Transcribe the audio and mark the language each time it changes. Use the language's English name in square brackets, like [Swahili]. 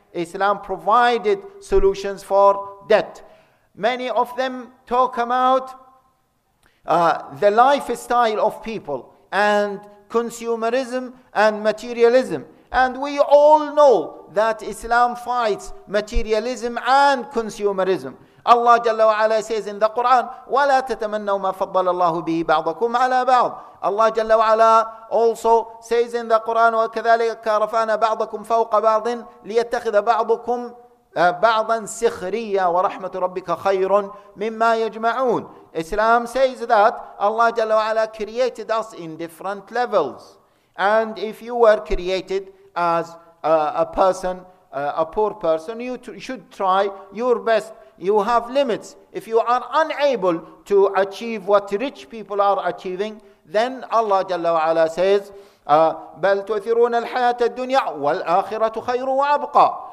[English] Islam provided solutions for debt. Many of them talk about the lifestyle of people and consumerism and materialism. And we all know that Islam fights materialism and consumerism. Allah Jalla wa Ala says in the Quran, [Arabic] وَلَا تَتَمَنَّوْ مَا فَضَّلَ اللَّهُ بِهِ بَعْضَكُمْ عَلَى بَعْضٍ. [English] Allah Jalla wa Ala also says in the Quran, [Arabic] وَكَذَلِكَ رَفَانَ بَعْضَكُمْ فَوْقَ بَعْضٍ لِيَتَّخِذَ بَعْضُكُمْ بَعْضًا سِخْرِيًّا وَرَحْمَةُ رَبِّكَ خَيْرٌ مِمَّا يَجْمَعُونَ. [English] Islam says that Allah Jalla wa Ala created us in different levels. And if you were created as a person, a poor person, you should try your best. You have limits. If you are unable to achieve what rich people are achieving, then Allah Jalla wa Ala says, [Arabic] بَلْ تُؤْثِرُونَ الْحَيَاةَ الدُّنْيَا وَالْآخِرَةُ خَيْرٌ وَأَبْقَى.